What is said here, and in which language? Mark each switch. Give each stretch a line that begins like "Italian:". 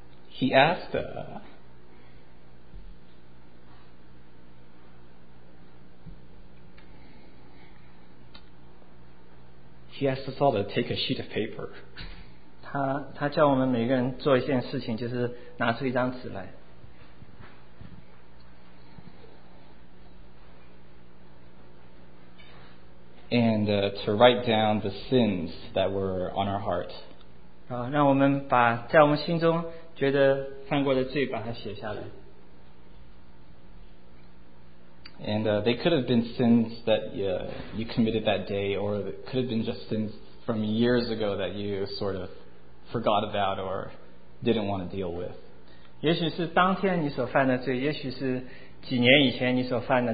English: He asked, us all to take a sheet of paper.
Chinese: 他叫我们每个人做一件事情, 就是拿出一张纸来。
English: And to write down the sins that were on our heart.
Chinese: 让我们把在我们心中觉得犯过的罪把它写下来。
English: And they could have been sins that you committed that day, or it could have been just sins from years ago that you sort of forgot about or didn't want to deal with.
Chinese: 也许是当天你所犯的罪, 也许是几年以前你所犯的,